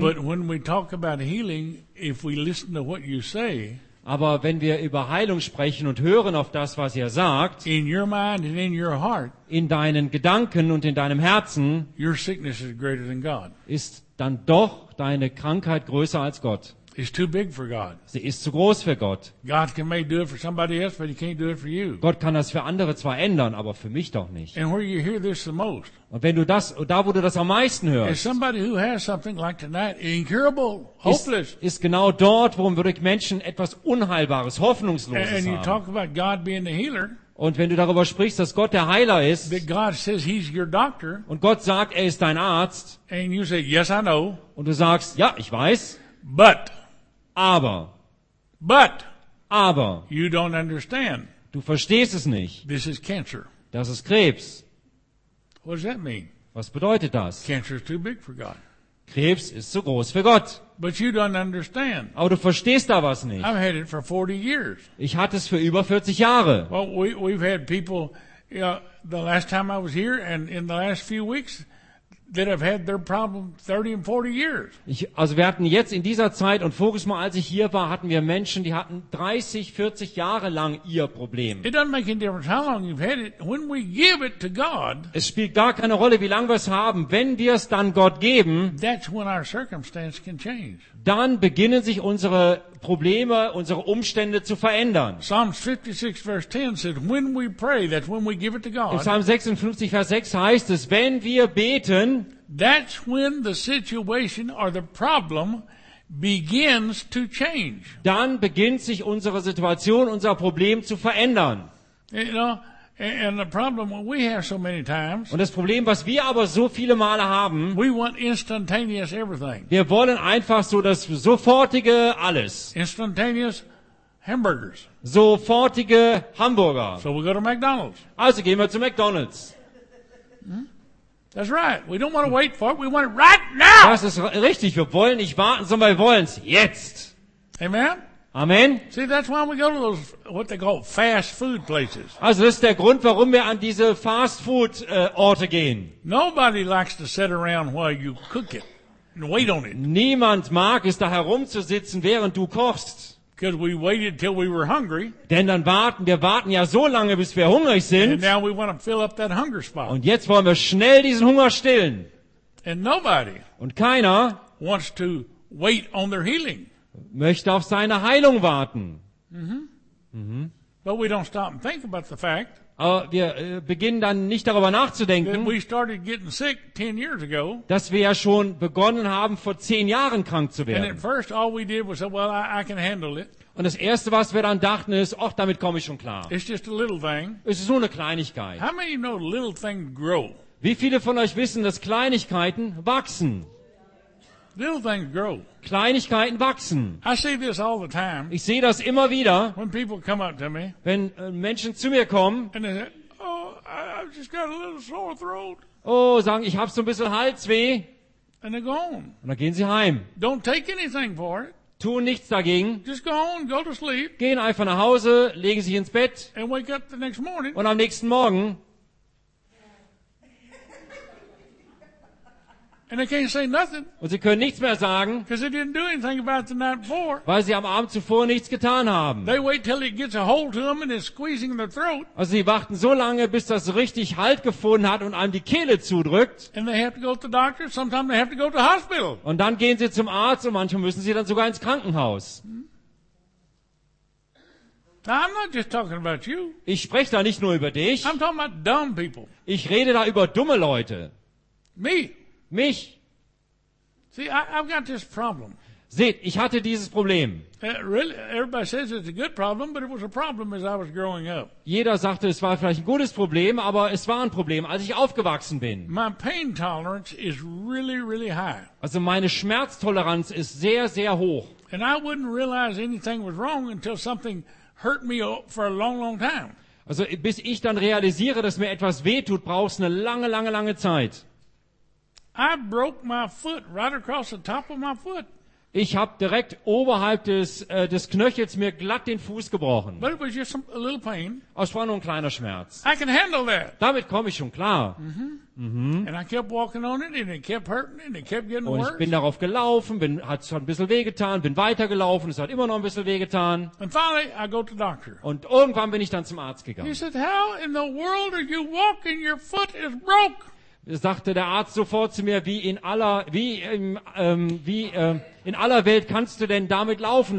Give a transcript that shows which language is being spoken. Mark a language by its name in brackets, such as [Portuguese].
[English] But when we talk about healing, if we listen to what you say, [German] aber wenn wir über Heilung sprechen und hören auf das, was ihr sagt, [English] in your mind and in your heart, [German] in deinen Gedanken und in deinem Herzen, [English] your sickness is greater than God. [German] Ist dann doch deine Krankheit größer als Gott. [English] It's too big for God. [German] Sie ist zu groß für Gott. [English] God can maybe do it for somebody else, but he can't do it for you. [German] Gott kann das für andere zwar ändern, aber für mich doch nicht. [English] And where you hear this the most? [German] Und wenn du das, da wo du das am meisten hörst, [English] is somebody who has something like tonight, incurable, hopeless. [German] Ist genau dort, wo wirklich Menschen etwas Unheilbares, Hoffnungsloses haben. [English] And you talk about God being the healer. [German] Und wenn du darüber sprichst, dass Gott der Heiler ist, [English] but God says he's your doctor. [German] Und Gott sagt, er ist dein Arzt. [English] And you say, yes, I know. [German] Und du sagst, ja, ich weiß. [English] But [German] aber, [English] but, [German] aber, [English] you don't understand. [German] Du verstehst es nicht. [English] This is cancer. [German] Das ist Krebs. [English] What does that mean? [German] Was bedeutet das? [English] Cancer is too big for God. [German] Krebs ist zu groß für Gott. [English] But you don't understand. [German] Aber du verstehst da was nicht. [English] I've had it for 40 years. [German] Ich hatte es für über 40 Jahre. [English] Well, we've had people, you know, the last time I was here and in the last few weeks, that have had their problem 30 and 40 years. [German] Also wir hatten jetzt in dieser Zeit und voriges Mal, als ich hier war, hatten wir Menschen, die hatten 30, 40 Jahre lang ihr Problem. [English] It doesn't make any difference how long you've had it. When we give it to God, [German] es spielt gar keine Rolle, wie lange wir es haben. Wenn wir es dann Gott geben, [English] that's when our circumstance can change. [German] Dann beginnen sich unsere Probleme, unsere Umstände zu verändern. [English] Psalms 56, verse 10 says, when we pray, that's when we give it to God. [German] In Psalm 56, Vers 6 heißt es, wenn wir beten, [English] that's when the situation or the problem begins to change. [German] Dann beginnt sich unsere Situation, unser Problem zu verändern. [English] You know, and the problem we have so many times, [German] und das Problem, was wir aber so viele Male haben, [English] we want instantaneous everything. [German] Wir wollen einfach so das sofortige alles. [English] Instantaneous hamburgers. [German] Sofortige Hamburger. [English] So we go to McDonald's. [German] Also gehen wir zu McDonald's. [English] That's right. We don't want to wait for it. We want it right now. [German] Das ist richtig. Wir wollen nicht warten, sondern wir wollen es jetzt. [English] Amen. [German] Amen. [English] See, that's why we go to those what they call fast food places. [German] Also das ist der Grund, warum wir an diese Fast Food Orte gehen. [English] Nobody likes to sit around while you cook it and wait on it. [German] Niemand mag es, da herumzusitzen, während du kochst. [English] Because we waited till we were hungry. [German] Denn dann warten, wir warten ja so lange, bis wir hungrig sind. [English] And now we want to fill up that hunger spot. [German] Und jetzt wollen wir schnell diesen Hunger stillen. [English] And nobody. [German] Und keiner [English] wants to wait on their healing. [German] Möchte auf seine Heilung warten. Mm-hmm. [English] But we don't stop and think about the fact. [German] Aber wir beginnen dann nicht darüber nachzudenken, [English] we started getting sick 10 years ago, [German] dass wir ja schon begonnen haben, vor 10 Jahren krank zu werden. [English] And at first all we did was say, well, I can handle it. [German] Und das Erste, was wir dann dachten, ist, ach, damit komme ich schon klar. [English] It's just a little thing. [German] Es ist nur eine Kleinigkeit. [English] How many know little things grow? [German] Wie viele von euch wissen, dass Kleinigkeiten wachsen? [English] Little things grow. [German] Kleinigkeiten wachsen. [English] I see this all the time. [German] Ich sehe das immer wieder. [English] When people come up to me, [German] wenn Menschen zu mir kommen, [English] and they say, oh, I've just got a little sore throat. [German] Oh, sagen, ich habe so ein bisschen Halsweh. [English] And they go home. [German] Und dann gehen sie heim. [English] Don't take anything for it. [German] Tun nichts dagegen. [English] Just go on, go to sleep. [German] Gehen einfach nach Hause, legen sich ins Bett. [English] And wake up the next morning. [German] Und am nächsten Morgen. [English] And they can't say nothing. [German] Und sie können nichts mehr sagen. [English] Because they didn't do anything about the night before. [German] Weil sie am Abend zuvor nichts getan haben. [English] They wait till it gets a hold to them and it's squeezing their throat. [German] Also sie warten so lange, bis das richtig Halt gefunden hat und einem die Kehle zudrückt. [English] And they have to go to the doctor. Sometimes they have to go to the hospital. [German] Und dann gehen sie zum Arzt und manchmal müssen sie dann sogar ins Krankenhaus. [English] Now, I'm not just talking about you. [German] Ich spreche da nicht nur über dich. [English] I'm talking about dumb people. [German] Ich rede da über dumme Leute. [English] Me. [German] Mich. [English] See, I've got this problem. [German] Seht, ich hatte dieses Problem. [English] Really, everybody says it's a good problem, but it was a problem as I was growing up. [German] Jeder sagte, es war vielleicht ein gutes Problem, aber es war ein Problem, als ich aufgewachsen bin. [English] My pain tolerance is really, really high. [German] Also meine Schmerztoleranz ist sehr, sehr hoch. [English] And I wouldn't realize anything was wrong until something hurt me for a long, long time. [German] Also bis ich dann realisiere, dass mir etwas wehtut, braucht es eine lange, lange, lange Zeit. [English] I broke my foot right across the top of my foot. [German] Ich habe direkt oberhalb des Knöchels mir glatt den Fuß gebrochen. [English] But it was just a little pain. [German] Es war nur ein kleiner Schmerz. [English] I can handle that. [German] Damit komme ich schon klar. [English] And I kept walking on it and it kept hurting and it kept getting worse. [German] Und ich bin darauf gelaufen, hat schon ein bisschen wehgetan, bin weitergelaufen, es hat immer noch ein bisschen wehgetan. [English] And finally I go to the doctor. [German] Und irgendwann bin ich dann zum Arzt gegangen. [English] He said, "How in the world are you walking? Your foot is broke." [German] Sagte der Arzt sofort zu mir, wie in aller Welt kannst du denn damit laufen?